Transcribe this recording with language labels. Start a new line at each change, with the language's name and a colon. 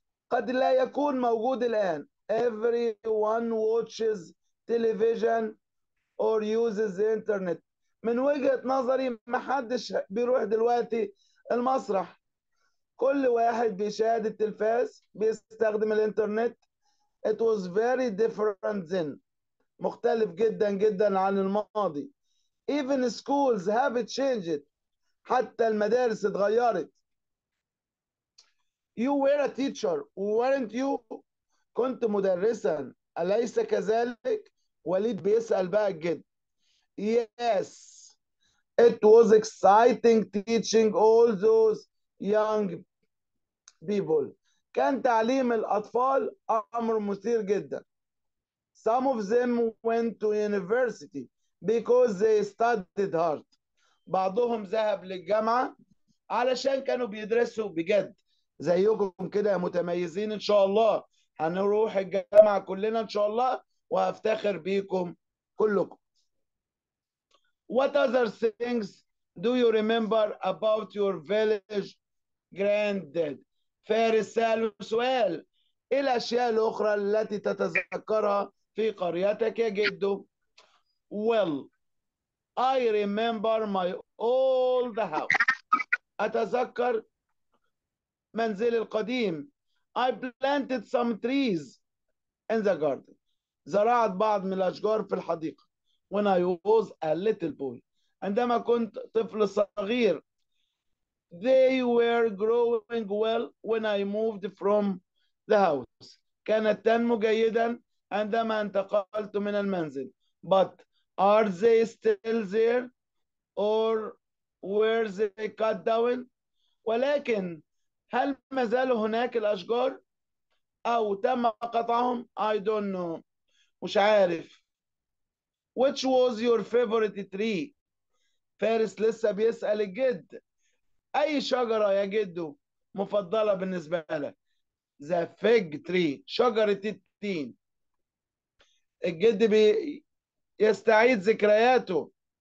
Arabic: قد لا يكون موجود الآن.
English: Everyone watches television or uses the internet.
Arabic: من وجهة نظري ما حدش بيروح دلوقتي المسرح، كل واحد بيشاهد التلفاز بيستخدم الانترنت.
English: It was very different then،
Arabic: مختلف جدا جدا عن الماضي.
English: Even schools have changed،
Arabic: حتى المدارس اتغيرت.
English: You were a teacher weren't you،
Arabic: كنت مدرسا أليس كذلك؟ وليد بيسأل بقى الجد.
English: Yes it was exciting teaching all those young people،
Arabic: كان تعليم الأطفال أمر مثير جدا.
English: Some of them went to university because they studied hard،
Arabic: بعضهم ذهب للجامعة علشان كانوا بيدرسوا بجد. زيكم كده متميزين إن شاء الله، هنروح الجامعة كلنا إن شاء الله وهفتخر بيكم كلكم.
English: What other things do you remember about your village granddad؟
Arabic: فارس سأله سؤال، إيه الأشياء الأخرى التي تتذكرها في قريتك يا جدو؟
English: Well I remember my old house،
Arabic: أتذكر منزلي القديم.
English: I planted some trees in the garden،
Arabic: زرعت بعض من الأشجار في الحديقة.
English: When I was a little boy،
Arabic: عندما كنت طفل صغير.
English: They were growing well when I moved from the house،
Arabic: كانت تنمو جيدا عندما انتقلت من المنزل.
English: But are they still there or were they cut down،
Arabic: ولكن هل ما زالوا هناك الأشجار أو تم قطعهم؟
English: I don't know،
Arabic: مش عارف.
English: Which was your favorite tree؟
Arabic: فارس لسه بيسأل الجد، أي شجرة يا جدو مفضلة بالنسبة لك؟
English: The fig tree،
Arabic: شجرة التين. الجد يستعيد ذكرياته.